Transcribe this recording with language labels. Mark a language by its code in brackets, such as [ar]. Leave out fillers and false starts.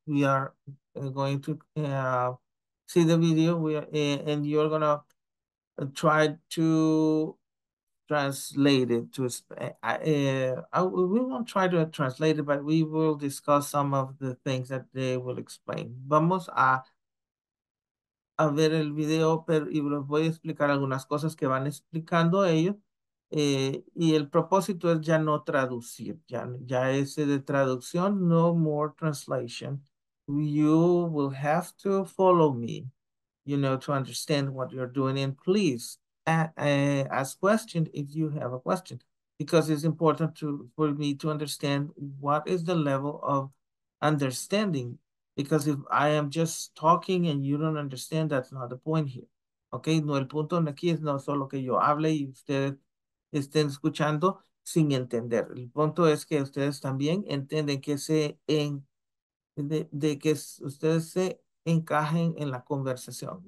[en] We are going to see the video. And you're gonna try to translate it to, we won't try to translate it, but we will discuss some of the things that they will explain. [es] Vamos a ver el video, pero y les voy a explicar algunas cosas que van explicando ellos, y el propósito es ya no traducir, ya ese de traducción, [en] no more translation. You will have to follow me, you know, to understand what you're doing, and please ask questions if you have a question, because it's important for me to understand what is the level of understanding. Because if I am just talking and you don't understand, that's not the point here. [es] Okay, no, el punto aquí es no solo que yo hable y ustedes estén escuchando sin entender. El punto es que ustedes también entienden que ustedes se encajen en la conversación.